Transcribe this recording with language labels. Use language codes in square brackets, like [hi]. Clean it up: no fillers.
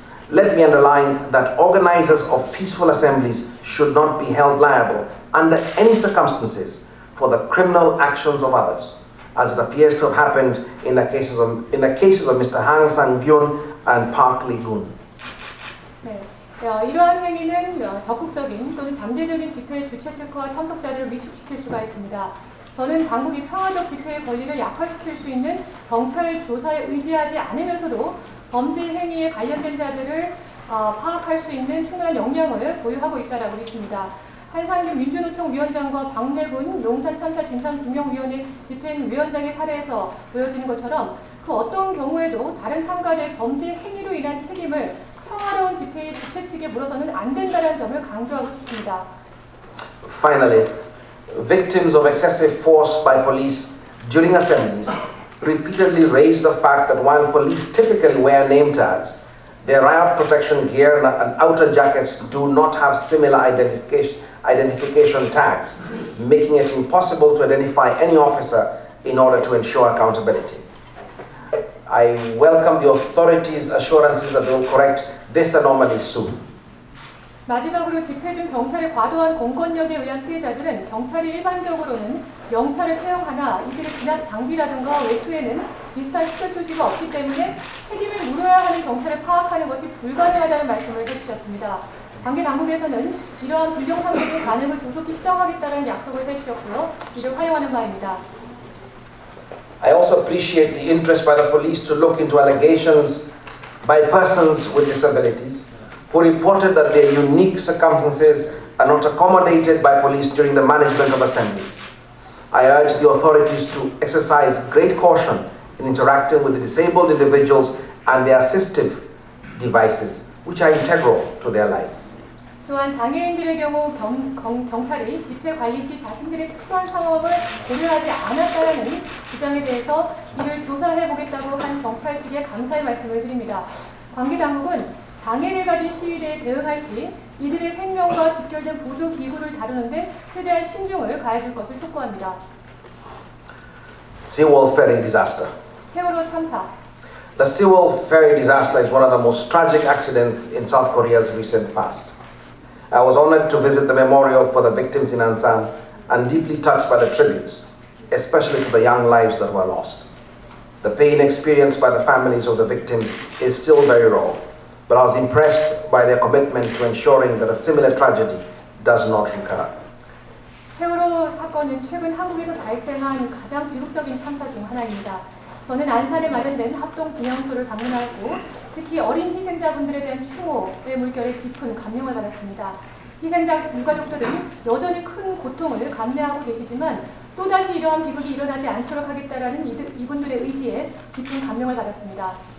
[en] Let me underline that organizers of peaceful assemblies should not be held liable under any circumstances for the criminal actions of others, as it appears to have happened in the cases of Mr. Hang Sang-kyun and Park Lee-gun. [ko] 이러한 행위는 적극적인 또는 잠재적인 집회 주최 측과 참석자들을 위축시킬 수가 있습니다. 저는 당국이 평화적 집회의 권리를 약화시킬 수 있는 경찰 조사에 의지하지 않으면서도 범죄 행위에 관련된 자들을 파악할 수 있는 충분한 역량을 보유하고 있다고 믿습니다. 한상균 민주노총 위원장과 박내군 용산참사진상규명위원회 집행위원장의 사례에서 보여지는 것처럼 그 어떤 경우에도 다른 참가자의 범죄 행위로 인한 책임을 평화로운 집회의 주최 측에 물어서는 안 된다는 점을 강조하고 싶습니다. [en] Finally, victims of excessive force by police during assemblies repeatedly raise the fact that while police typically wear name tags, Their riot protection gear and outer jackets do not have similar identification tags, making it impossible to identify any officer in order to ensure accountability. I welcome the authorities' assurances that they will correct this anomaly soon. [ko] 마지막으로 집회 중 경찰의 과도한 공권력에 의한 피해자들은 경찰이 일반적으로는 명찰을 사용하나 이들의 진압 장비라든가 외투에는 비슷한 시설 표시가 없기 때문에 책임을 물어야 하는 경찰을 파악하는 것이 불가능하다는 말씀을 해주셨습니다. 관계 당국에서는 이러한 불경상도의 반응을 조속히 시정하겠다는 약속을 해주셨고요. 이를 환영하는 바입니다. [en] I also appreciate the interest by the police to look into allegations by persons with disabilities who reported that their unique circumstances are not accommodated by police during the management of assemblies. I urge the authorities to exercise great caution in interacting with the disabled individuals and their assistive devices, which are integral to their lives. [ko] 또한 장애인들의 경우 경찰이 집회 관리 시 자신들의 특수한 상황을 고려하지 않았다는 주장에 대해서 이를 조사해보겠다고 한 경찰 측에 감사의 말씀을 드립니다. 관계 당국은 장애를 가진 시위대에 대응할 시 이들의 생명과 직결된 보조기구를 다루는 데 최대한 신중을 가해줄 것을 촉구합니다. [en] Seawall Ferry Disaster. [ko] 세월호 참사. [en] The Seawall Ferry Disaster is one of the most tragic accidents in South Korea's recent past. I was honored to visit the memorial for the victims in Ansan and deeply touched by the tributes, especially to the young lives that were lost. The pain experienced by the families of the victims is still very raw, but I was impressed by their commitment to ensuring that a similar tragedy does not recur. [ko] 세월호 사건은 최근 한국에서 발생한 가장 비극적인 참사 중 하나입니다. 저는 안산에 마련된 합동 분향소를 방문하고 특히 어린 희생자분들에 대한 추모의 물결에 깊은 감명을 받았습니다. 희생자 유가족들은 여전히 큰 고통을 감내하고 계시지만 또다시 이러한 비극이 일어나지 않도록 하겠다라는 이분들의 의지에 깊은 감명을 받았습니다.